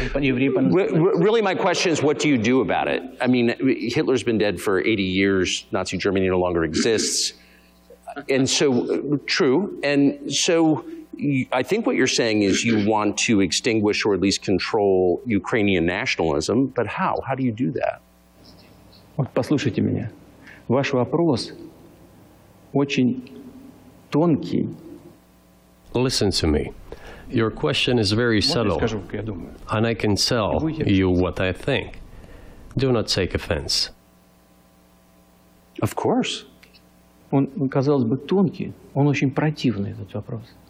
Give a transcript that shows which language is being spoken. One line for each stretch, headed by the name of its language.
English: Really, my question is, what do you do about it? I mean, Hitler's been dead for 80 years. Nazi Germany no longer exists. And so, true. And so, I think what you're saying is you want to extinguish or at least control Ukrainian nationalism. But how? How do you do that?
Russian: Вот послушайте меня. Ваш вопрос очень тонкий.
English: Listen to me. Your question is very subtle. And I can tell you what I think. Do not take offense. Of course.
Russian: Он казалось бы тонкий, он очень противный этот вопрос.